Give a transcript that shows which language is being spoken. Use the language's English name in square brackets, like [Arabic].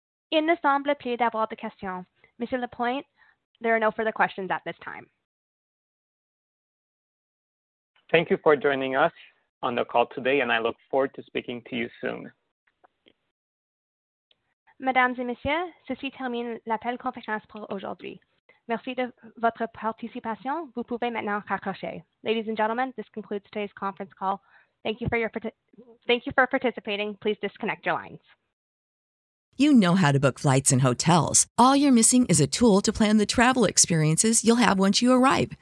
[French] Il ne semble plus d'avoir de questions. [English] Monsieur Lapointe, there are no further questions at this time. Thank you for joining us on the call today, and I look forward to speaking to you soon. [French] Mesdames et messieurs, ceci termine l'appel conférence pour aujourd'hui. Merci de votre participation. Vous pouvez maintenant raccrocher. [English] Ladies and gentlemen, this concludes today's conference call. Thank you for participating. Please disconnect your lines. You know how to book flights and hotels. All you're missing is a tool to plan the travel experiences you'll have once you arrive.